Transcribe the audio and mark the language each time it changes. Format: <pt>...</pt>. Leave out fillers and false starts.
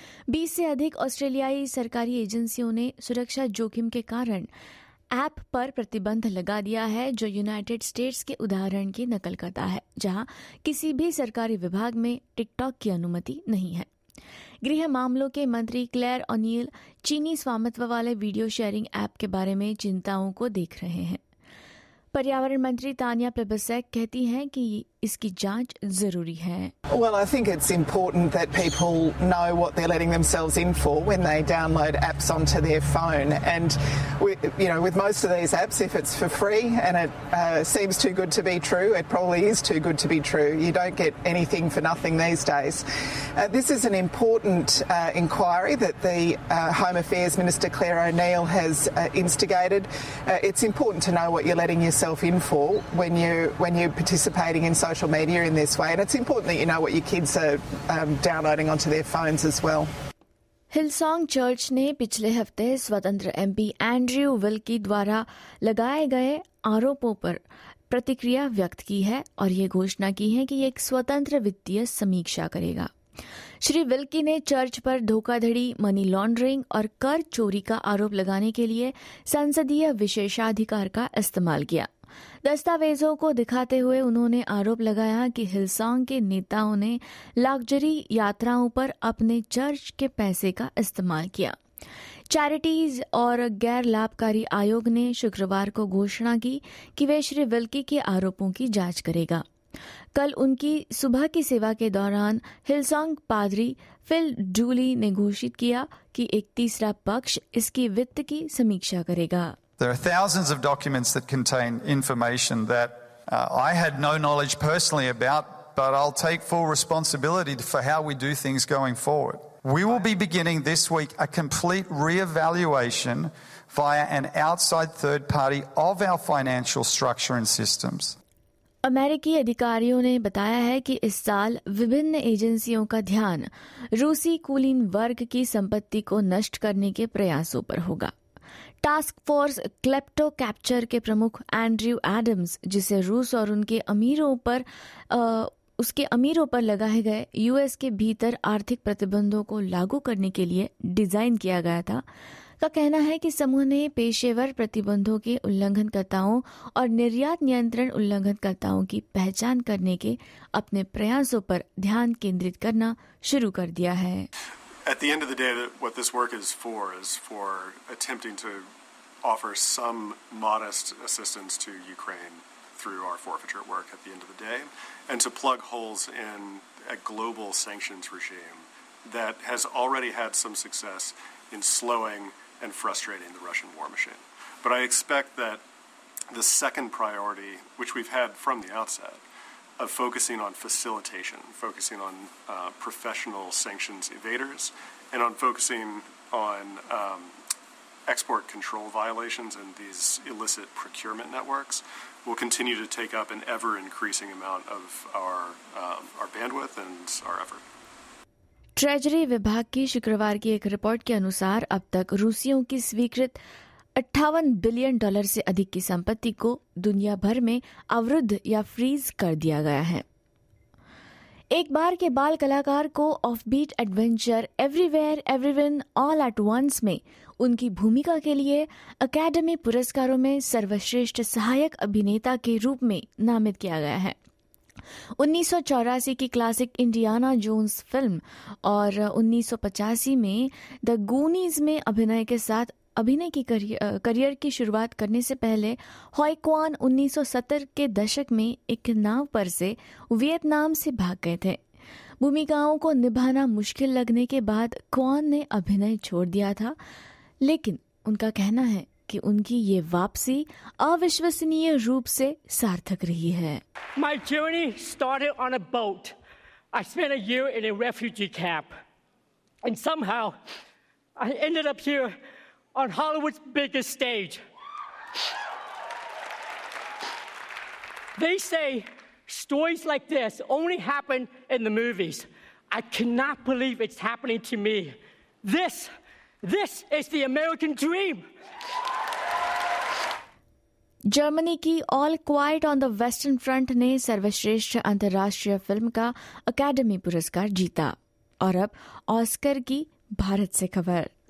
<hi>20 से अधिक ऑस्ट्रेलियाई सरकारी एजेंसियों ने सुरक्षा जोखिम के कारण ऐप पर प्रतिबंध लगा दिया है, जो यूनाइटेड स्टेट्स के उदाहरण की नकल करता है, जहां किसी भी सरकारी विभाग में टिकटॉक की अनुमति नहीं है। गृह मामलों के मंत्री क्लेयर ओनील चीनी स्वामित्व वाले वीडियो शेयरिंग ऐप के बारे में चिंताओं को देख रहे हैं। पर्यावरण मंत्री तानिया प्लिबर्सेक कहती हैं कि इसकी जांच जरूरी है।</hi> <en>Well, I think it's important that people know what they're letting themselves in for when they download apps onto their phone. And we, you know, with most of these apps, if it's for free and it seems too good to be true, it probably is too good to be true. You don't get anything for nothing these days. This is an important inquiry that the Home Affairs Minister Claire O'Neill has instigated. It's important to know what you're letting yourself in for when you're participating in social media in this way. And it's important that you know what your kids are downloading onto their phones as well.</en> <hi>हिलसोंग church ने पिछले हफ्ते स्वतंत्र MP Andrew Wilkie द्वारा लगाए गए आरोपों पर प्रतिक्रिया व्यक्त की है और ये घोषणा की है कि एक स्वतंत्र वित्तीय समीक्षा करेगा। श्री विल्की ने चर्च पर धोखाधड़ी, मनी लॉन्ड्रिंग और कर चोरी का आरोप लगाने के लिए संसदीय विशेषाधिकार का इस्तेमाल किया। दस्तावेजों को दिखाते हुए उन्होंने आरोप लगाया कि हिलसोंग के नेताओं ने लग्जरी यात्राओं पर अपने चर्च के पैसे का इस्तेमाल किया। चैरिटीज और गैर लाभकारी आयोग ने शुक्रवार को घोषणा की कि वे श्री विल्की के आरोपों की जांच करेगा। कल उनकी सुबह की सेवा के दौरान हिलसोंग पादरी फिल डूली ने घोषित किया कि एक तीसरा पक्ष इसकी वित्त की समीक्षा करेगा।</hi> <en>There are thousands of documents that contain information that I had no knowledge personally about, but I'll take full responsibility for how we do things going forward. We will be beginning this week a complete re-evaluation via an outside third party of our financial structure and systems.</en> <hi>अमेरिकी अधिकारियों ने बताया है कि इस साल विभिन्न एजेंसियों का ध्यान रूसी कुलीन वर्ग की संपत्ति को नष्ट करने के प्रयासों पर होगा। टास्क फोर्स क्लेप्टो कैप्चर के प्रमुख एंड्रयू एडम्स, जिसे रूस और उनके अमीरों पर लगाए गए यूएस के भीतर आर्थिक प्रतिबंधों को लागू करने के लिए डिजाइन किया गया था, का कहना है कि समूह ने पेशेवर प्रतिबंधों के उल्लंघनकर्ताओं और निर्यात नियंत्रण उल्लंघनकर्ताओं की पहचान करने के अपने प्रयासों पर ध्यान केंद्रित करना शुरू कर दिया है।</hi> <en>At the end of the day, what this work is for attempting to offer some modest assistance to Ukraine through our forfeiture work at the end of the day, and to plug holes in a global sanctions regime that has already had some success in slowing and frustrating the Russian war machine. But I expect that the second priority, which we've had from the outset, of focusing on facilitation, focusing on professional sanctions evaders, and on focusing on export control violations and these illicit procurement networks, will continue to take up an ever-increasing amount of our bandwidth and our effort.</en> <hi>Treasury विभाग की शुक्रवार की एक report के अनुसार अब तक रूसियों की स्वीकृत 58 बिलियन डॉलर से अधिक की संपत्ति को दुनिया भर में अवरुद्ध या फ्रीज कर दिया गया है। एक बार के बाल कलाकार को offbeat adventure everywhere everyone all at once में उनकी भूमिका के लिए एकेडमी पुरस्कारों में सर्वश्रेष्ठ सहायक अभिनेता के रूप में नामित किया गया है। 1984 की क्लासिक इंडियाना जोन्स फिल्म और 1985 में द गूनीज में अभिनय के साथ अभिनय की करियर की शुरुआत करने से पहले हॉय क्वान 1970 के दशक में एक नाव पर से वियतनाम से भाग गए थे। भूमिकाओं को निभाना मुश्किल लगने के बाद क्वान ने अभिनय छोड़ दिया था, लेकिन उनका कहना है कि उनकी ये वापसी अविश्वसनीय रूप से सार्थक रही है।</hi> <en>My journey started on a boat. I spent a year in a refugee camp. And somehow I ended up here on Hollywood's biggest stage. They say stories like this only happen in the movies. I cannot believe it's happening to me. This is the American dream.</en> <hi>Germany की all quite on the western front ने सर्वश्रेष्ठ अंतर्राष्ट्रीय film का academy पुरस्कार जीता। और अब Oscar की भारत से खबर।</hi>